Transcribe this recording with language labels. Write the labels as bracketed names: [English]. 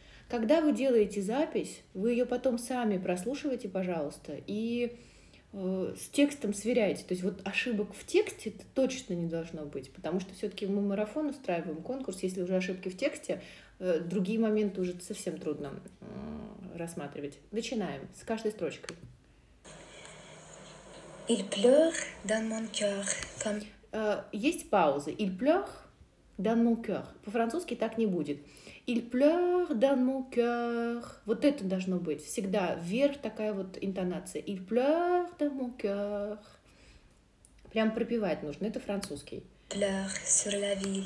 [Russian] Когда вы делаете запись, вы ее потом сами прослушиваете, пожалуйста, и с текстом сверяйте. То есть вот ошибок в тексте точно не должно быть, потому что все-таки мы марафон устраиваем, конкурс. Если уже ошибки в тексте, другие моменты уже совсем трудно рассматривать. Начинаем с каждой строчки. [French] Il pleure dans mon cœur, comme... [Russian] Есть паузы. [French] Il pleure dans mon cœur. [Russian] По-французски так не будет. [French] Il pleure dans mon cœur. [Russian] Вот это должно быть. Всегда вверх такая вот интонация. [French] Il pleure dans mon cœur. [Russian] Прям пропевать нужно. Это французский. [French] Pleure sur la ville.